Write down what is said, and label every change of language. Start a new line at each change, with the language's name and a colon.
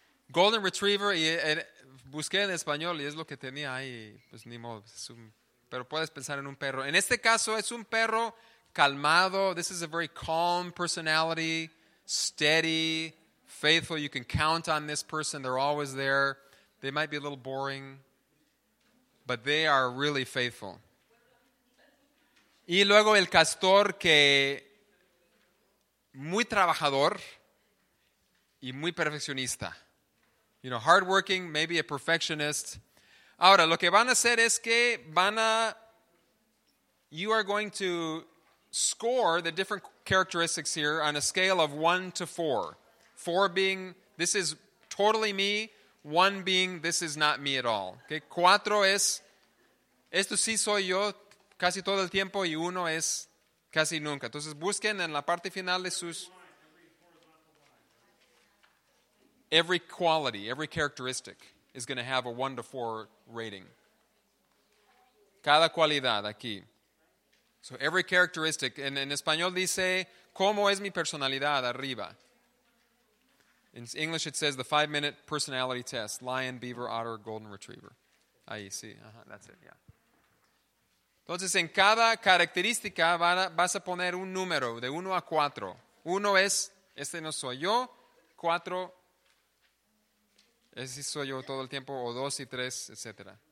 Spanish: Golden Retriever, busqué en español y es lo que tenía ahí, pues ni modo, es un... Pero puedes pensar en un perro. En este caso es un perro calmado.
English: This is a very calm personality, steady, faithful. You can count on this person. They're always there. They might be a little boring, but they are really faithful.
Spanish: Y luego el castor, que muy trabajador y muy perfeccionista.
English: You know, hardworking, maybe a perfectionist.
Spanish: Ahora, lo que van a hacer es que
English: you are going to score the different characteristics here on a scale of 1 to 4. 4 being, this is totally me. 1 being, this is not me at all. Okay?
Spanish: 4 es, esto sí soy yo casi todo el tiempo, y 1 es casi nunca. Entonces, busquen en la parte final de sus...
English: Every quality, every characteristic is going to have a 1 to 4 rating.
Spanish: cada cualidad aquí.
English: So every characteristic.
Spanish: En español dice, ¿cómo es mi personalidad arriba?
English: In English it says the 5-minute personality test. Lion, beaver, otter, golden retriever.
Spanish: Ahí, sí.
English: That's it, yeah.
Spanish: Entonces, en cada característica vas a poner un número de 1 a 4. 1 es, este no soy yo. 4, ese soy yo todo el tiempo. O 2 y 3, etc.